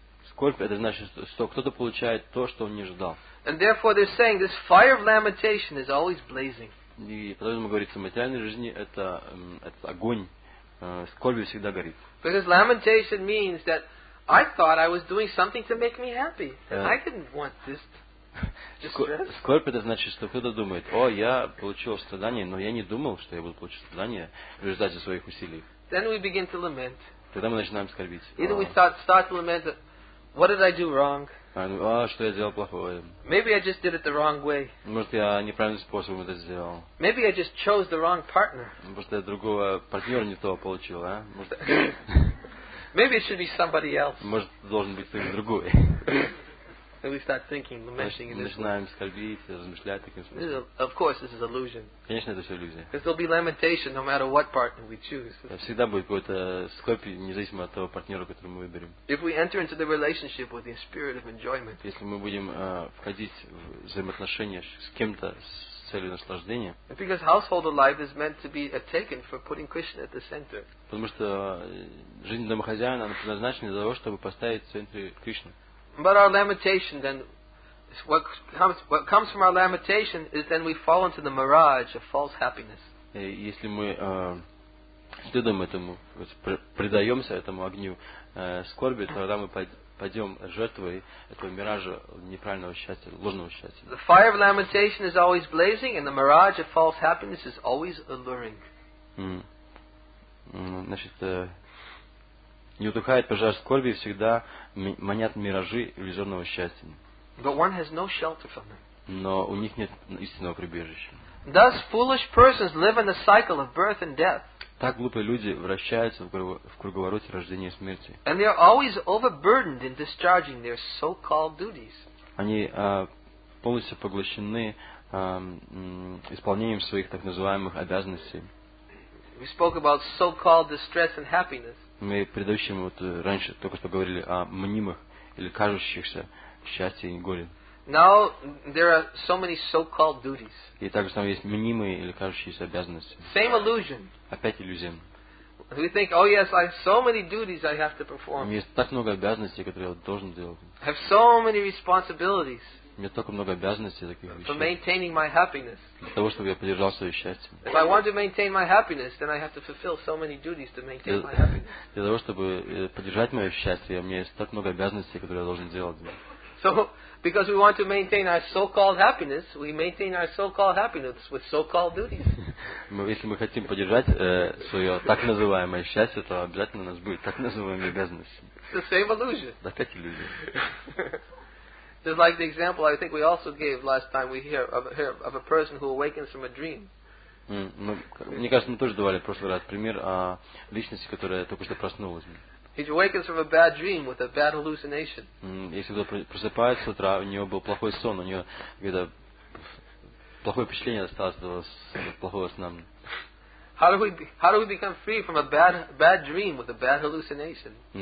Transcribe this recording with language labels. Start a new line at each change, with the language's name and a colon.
Russian: Скорбь, это значит, что кто-то получает то, что он не ожидал.
English: And therefore they're saying this fire of lamentation is always blazing.
Russian: И поэтому говорится, в материальной жизни это огонь, скорбь всегда горит.
English: Because lamentation means that I thought I was doing something to make me happy, and I didn't want this.
Russian: Скорбь, это значит, что кто-то думает, о, я получил страдание, но я не думал, что я буду получить страдание в результате своих усилий.
English: Then we begin to lament.
Russian: Тогда мы начинаем скорбить.
English: Either we start to lament, what did I do wrong?
Russian: А что я сделал плохое?
English: Maybe I just did it the wrong way.
Russian: Может, я неправильным способом это сделал.
English: Maybe I just chose the wrong partner.
Russian: Может, я другого партнера не того получил, а? Может.
English: Maybe it should be somebody else.
Russian: Может, должен быть кто-то другой.
English: And we start thinking, lamenting in this.
Russian: Начинаем скорбить, размышлять таким способом.
English: Of course, this is illusion.
Russian: Конечно, это все иллюзия.
English: Because there'll be lamentation no matter what partner we choose.
Russian: Всегда будет какой-то скорбь, независимо от того партнера, которого мы выберем.
English: If we enter into the relationship with the spirit of enjoyment.
Russian: Если мы будем входить в взаимоотношения с кем-то с целью наслаждения.
English: Because household life is meant to be taken for putting Krishna at the center.
Russian: Потому что жизнь домохозяина, она предназначена для того, чтобы поставить в центре Кришну.
English: But our lamentation then, what comes from our lamentation is then we fall into the mirage of false happiness.
Russian: Если мы следуем этому, предаемся этому огню скорби, тогда мы пойдем жертвой этого миража неправильного счастья, ложного счастья.
English: The fire of lamentation is always blazing, and the mirage of false happiness is always alluring.
Russian: Значит. Не утухает пожар скорби, всегда манят миражи иллюзорного счастья.
English: But one has no shelter from them.
Russian: Но у них нет истинного прибежища.
English: Thus foolish persons live in a cycle of birth and death.
Russian: Так глупые люди вращаются в круговороте рождения и смерти.
English: And they are always overburdened in discharging their so-called duties.
Russian: Они полностью поглощены исполнением своих так называемых обязанностей.
English: We spoke about so-called distress and happiness.
Russian: Мы предыдущим вот раньше только что говорили о мнимых или кажущихся счастье и горе.
English: Now there are so many so-called duties.
Russian: И также там есть мнимые или кажущиеся обязанности.
English: Same illusion.
Russian: Опять иллюзия.
English: We think, oh yes, I have so many duties I have to perform.
Russian: У меня есть так много обязанностей, которые я должен делать.
English: I have so many responsibilities.
Russian: У меня столько много обязанностей таких вещей.
English: For maintaining my happiness.
Russian: Для того, чтобы я поддержал свое счастье.
English: If I want to maintain my happiness, then I have to fulfill so many duties to maintain my happiness.
Russian: Для того, чтобы поддержать мое счастье, у меня есть так много обязанностей, которые я должен делать.
English: So, because we want to maintain our so-called happiness, we maintain our so-called happiness with so-called duties.
Russian: Если мы хотим поддержать свое так называемое счастье, то обязательно у нас будет так называемые обязанности.
English: It's the same illusion.
Russian: Опять иллюзия.
English: Just like the example I think we also gave last time we hear of a person who awakens from a dream.
Russian: Мне кажется, мы тоже давали в прошлый раз пример о личности, которая только что проснулась.
English: He awakens from a bad dream with a bad hallucination.
Russian: Если кто просыпается с утра, у него был плохой сон, у него где-то плохое впечатление осталось от плохого сна.
English: How do we become free from a bad dream with a bad hallucination?